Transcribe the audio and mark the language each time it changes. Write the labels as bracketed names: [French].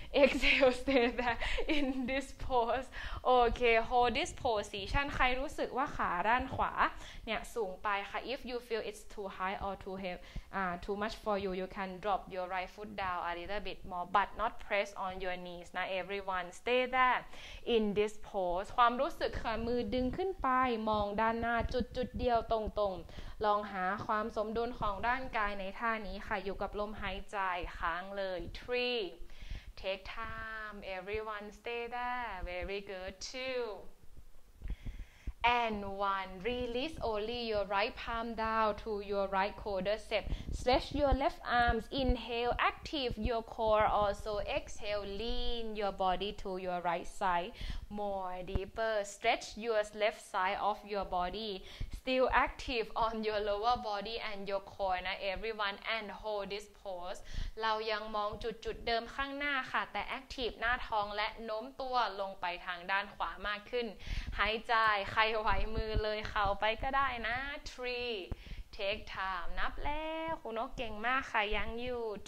[English] Exhale, stay there in this pose. Okay, hold this position. [Thai] ใครรู้สึกว่าขาด้านขวาเนี่ยสูงไปค่ะ [English] If you feel it's too high or too heavy, too much for you, you can drop your right foot down a little bit more, but not press on your knees. Now, everyone, stay there in this pose. [Thai] ความรู้สึกค่ะมือดึงขึ้นไปมองด้านหน้าจุดๆเดียวตรงๆลองหาความสมดุลของด้านกายในท่านี้ค่ะอยู่กับลมหายใจค้างเลย [English] 3 take time everyone stay there very good [Thai] 2 [English] And one, release only your right palm down to your right quadricep. Stretch your left arms. Inhale, active your core. Also exhale, lean your body to your right side. More deeper, stretch your left side of your body. Still active on your lower body and your core, นะ everyone, and hold this pose. [Thai] เรายังมองจุดๆเดิมข้างหน้าค่ะแต่ active หน้าท้องและโน้มตัวลงไปทางด้านขวามากขึ้นหายใจใครไหวมือเลยเข่าไปก็ได้นะ3 [English] take time [Thai] นับแล้วคุณนกเก่งมากค่ะยังอยู่